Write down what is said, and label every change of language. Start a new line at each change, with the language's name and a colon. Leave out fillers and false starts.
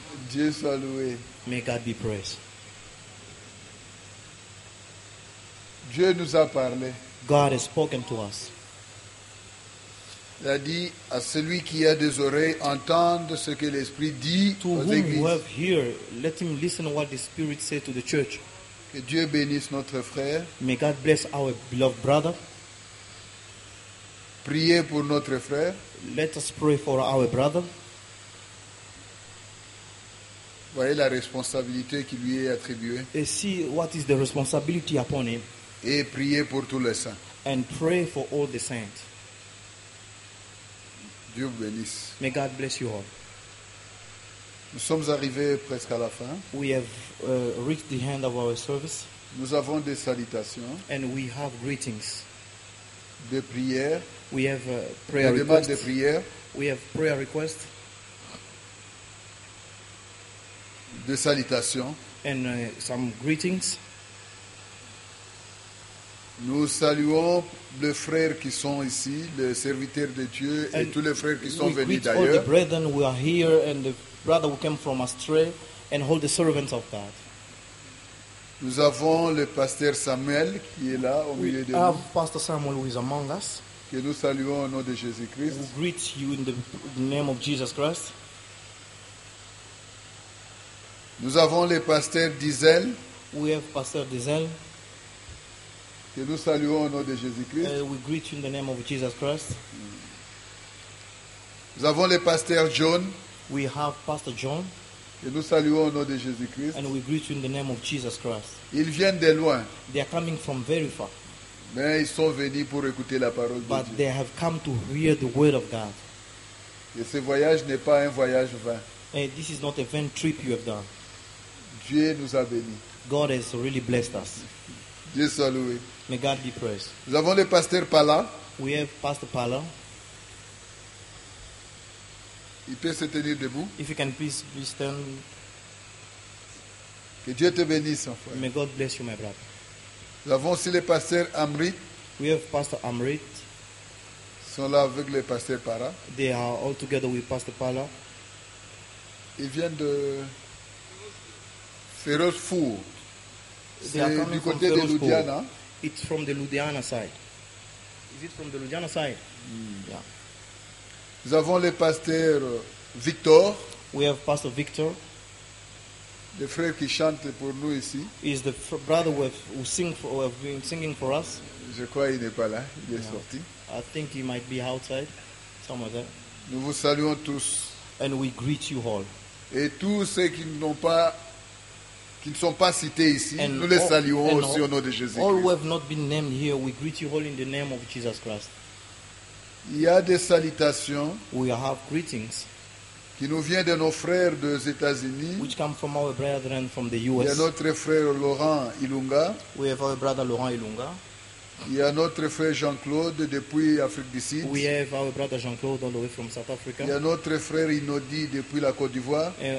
French: Dieu soit loué.
English: May God be praised.
French: Dieu nous a parlé.
English: God has spoken to us.
French: Il a dit à celui qui a des oreilles, entende ce que l'Esprit dit
English: to
French: aux églises.
English: To whom you have here, let him listen what the Spirit said to the church.
French: Que Dieu bénisse notre frère.
English: May God bless our beloved brother.
French: Priez pour notre frère.
English: Let us pray for our brother.
French: Voyez la responsabilité qui lui est attribuée.
English: And see what is the responsibility upon him.
French: Et priez pour tous les saints.
English: And pray for all the saints.
French: Dieu vous bénisse.
English: May God bless you all.
French: Nous sommes arrivés presque à la fin.
English: We have reached the end of our service.
French: Nous avons des salutations.
English: And we have greetings.
French: Des prières.
English: We have prayer requests.
French: Demandes de prière.
English: We have prayer requests.
French: Des salutations.
English: And some greetings.
French: Nous saluons les frères qui sont ici, les serviteurs de Dieu et tous les frères qui sont venus d'ailleurs.
English: We greet all the brethren who are here and the brother who came from astray and all the servants of God.
French: Nous avons le pasteur Samuel qui est là au milieu de nous.
English: We have Pastor Samuel who is among us.
French: Que nous saluons au nom de Jésus Christ.
English: We greet you in the name of Jesus Christ.
French: Nous avons le pasteur Diesel.
English: We have Pastor Diesel.
French: Que nous saluons au nom de Jésus-Christ.
English: We greet you in the name of Jesus Christ.
French: Nous avons le pasteur John.
English: We have Pastor John.
French: Que nous saluons au nom de Jésus-Christ.
English: And we greet you in the name of Jesus Christ.
French: Ils viennent de loin.
English: They are coming from very far.
French: Mais ils sont venus pour écouter la parole
English: But
French: de Dieu.
English: But they have come to hear the word of God.
French: Et ce voyage n'est pas un voyage vain.
English: And this is not a vain trip you have done.
French: Dieu nous a bénis.
English: God has really blessed us.
French: Dieu soit loué.
English: May God be praised.
French: Nous avons le pasteur Pala.
English: We have Pastor Pala.
French: Il peut se tenir debout.
English: If you can please stand.
French: Que Dieu te bénisse, mon frère.
English: May God bless you, my brother.
French: Nous avons aussi le pasteur Amrit.
English: We have Pastor Amrit.
French: Ils sont là avec le pasteur Pala.
English: They are all together with Pastor Pala.
French: Ils viennent de Feroz Four. C'est du côté de Ludhiana.
English: It's from the Ludhiana side. Is it from the Ludhiana side? Mm. Yeah.
French: Nous avons le pasteur Victor.
English: We have Pastor Victor.
French: Le frère qui chante pour nous ici.
English: Is the brother who sing for, who have been singing for us.
French: Je crois qu'il n'est pas là. Il est sorti.
English: I think he might be outside somewhere there.
French: Nous vous saluons tous.
English: And we greet you all.
French: Et tous ceux qui n'ont pas qui ne sont pas cités ici,
English: and
French: nous les saluons aussi au nom de Jésus.
English: All who have not been named here, we greet you all in the name of Jesus Christ.
French: Il y a des salutations.
English: We have greetings.
French: Qui nous viennent de nos frères des États-Unis.
English: Which come from our brethren from the US.
French: Il y a notre frère Laurent Ilunga.
English: We have our brother Laurent Ilunga.
French: Il y a notre frère Jean-Claude depuis Afrique du Sud.
English: We have our brother Jean-Claude all the way from South Africa.
French: Il y a notre frère Inodi depuis la Côte d'Ivoire.